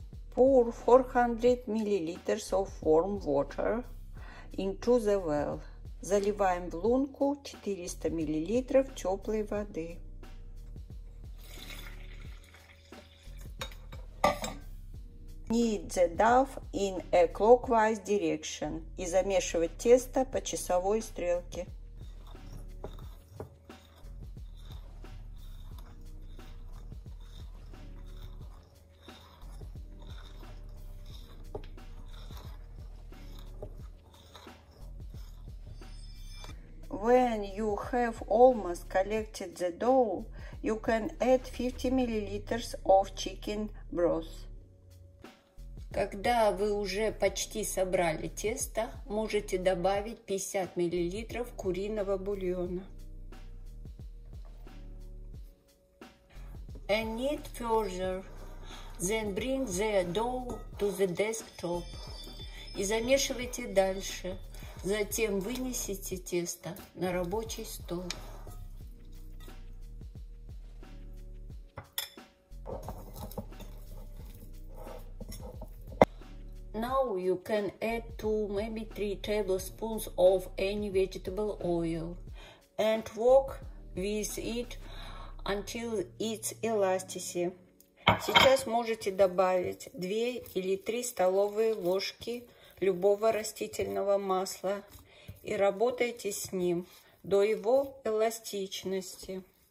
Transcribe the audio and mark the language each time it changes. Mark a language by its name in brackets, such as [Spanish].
[English] Pour 400 milliliters of warm water into the well. [Russian] Заливаем в лунку 400 миллилитров теплой воды. [English] Knead the dough in a clockwise direction [Russian] и замешивать тесто по часовой стрелке. [English] When you have almost collected the dough, you can add 50 milliliters of chicken broth. [Russian] Когда вы уже почти собрали тесто, можете добавить 50 миллилитров куриного бульона. [English] And knead further, then bring the dough to the desktop. [Russian] И замешивайте дальше. Затем вынесите тесто на рабочий стол. [English] Now you can add 2, maybe 3 tablespoons of any vegetable oil and work with it until it's elasticity. [Russian] Сейчас можете добавить 2 или 3 столовые ложки любого растительного масла и работайте с ним до его эластичности.